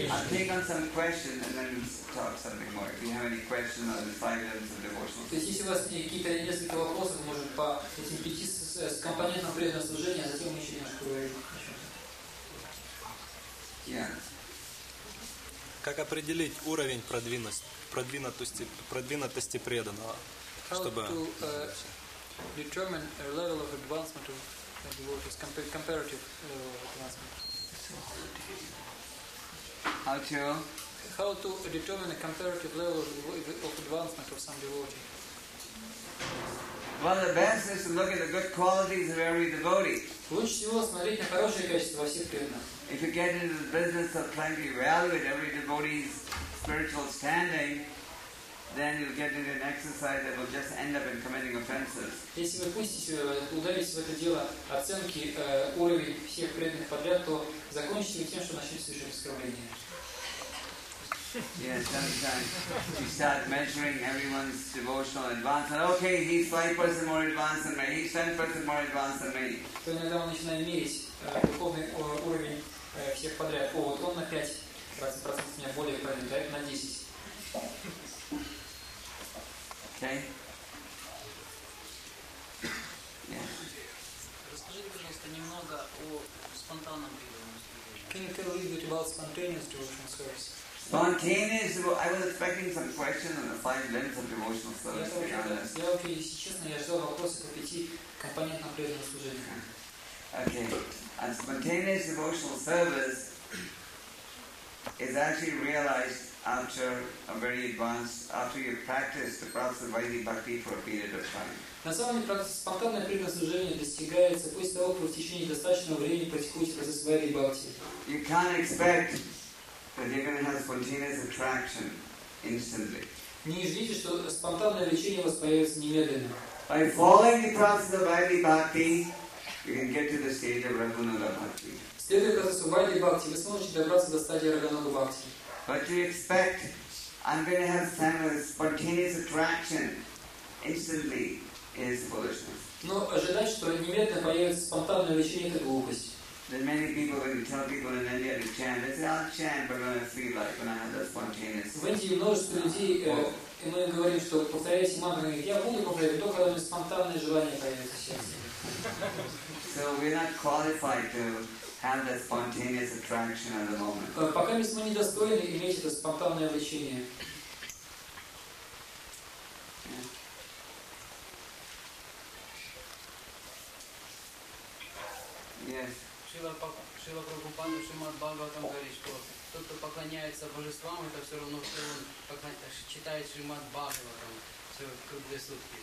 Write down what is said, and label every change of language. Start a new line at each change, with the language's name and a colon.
English: take on some questions and then talk something more. If you have any questions on the five levels of devotional
Russian: service. То есть, если у вас какие-то несколько вопросов, может, по этим пяти с компонентам преданного служения, а затем мы еще немножко говорим.
English: Yeah.
Russian: Как определить уровень продвинутости преданного?
English: Чтобы... Determine a level of advancement of devotees, comparative level of advancement. How to determine a comparative level of advancement of some devotee? Well, the best is to look at the good qualities of every devotee.
Russian: Лучше всего смотреть на хорошие качества во всех преданных.
English: If you get into the business of trying to evaluate every devotee's spiritual standing, then you'll get into an exercise that will just end up in committing offenses.
Russian: Если вы пустите, ударитесь в это дело оценки уровень всех преданных подряд, то закончите вы тем, что начнете совершать оскорбление.
English: Yes, sometimes you start measuring everyone's devotional advancement. Okay, he's 5% more advanced than me. He's 10% more advanced than me.
Russian: То иногда мы начинаем мерить духовный уровень всех подряд. О, вот он на 5% меня более правильный, да, на 10%. Расскажите, пожалуйста, немного о спонтанном преданном.
English: Can you tell a little bit about spontaneous devotional service? Spontaneous? I was expecting some questions on the five limits of devotional service.
Russian: Я вообще, если честно, я ждал вопросы по пяти компонентам преданного служения.
English: Okay. And spontaneous devotional service is actually realized after a very advanced, after you practice the process of Vaidhi Bhakti for a period of time.
Russian: На самом деле, спонтанное преданное служение достигается после того, как в течение достаточного времени практикуете процесс Vaidhi Bhakti.
English: You can't expect that you're going to have spontaneous attraction instantly.
Russian: Не ждите, что спонтанное влечение у вас появится немедленно.
English: By following the process of Vaidhi Bhakti, you can get to the stage of Raghunatha Bhakti.
Russian: Следуя процессу Vaidhi Bhakti, вы сможете добраться до стадии Raghunatha Bhakti.
English: But you expect I'm going to have some spontaneous attraction instantly is foolishness.
Russian: Но ожидать, что немедленно появится спонтанное влечение, это глупость.
English: Then many people, when you tell people in India to chant, they say, I'll chant, but when I feel like when I have that spontaneous.
Russian: В Индии множество людей, и мы говорим, что повторяйте мантру, я буду повторять, только когда у меня спонтанное желание появится счастье.
English: So we're not qualified to have that spontaneous attraction at the moment.
Russian: Пока мы не достойны иметь это спонтанное влечение.
English: Yes.
Russian: Шрила Прабхупада Шримад Бхагаватам говорит, что тот, кто поклоняется божествам, это все равно, что он читает Шримад Бхагаватам все круглые сутки.